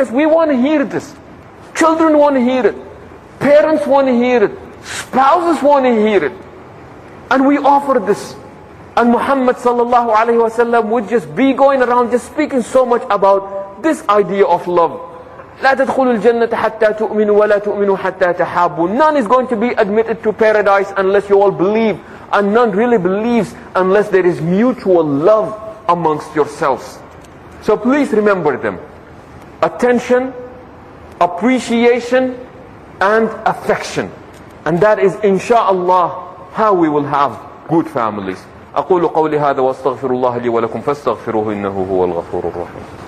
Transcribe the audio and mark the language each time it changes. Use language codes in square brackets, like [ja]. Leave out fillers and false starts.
[en] Just we want to hear this. Children want to hear it. Parents want to hear it. Spouses want to hear it. And we offer this. And Muhammad sallallahu alaihi wasallam would just be going around just speaking so much about this idea of love. [ar] لا تدخلوا الجنة حتى تؤمنوا ولا تؤمنوا حتى تحابوا. [en] None is going to be admitted to paradise unless you all believe. And none really believes unless there is mutual love amongst yourselves. So please remember them. Attention, appreciation, and affection. And that is inshallah how we will have good families. [ar] أقول قولي هذا واستغفر الله لي ولكم فاستغفروه إنه هو الغفور الرحيم.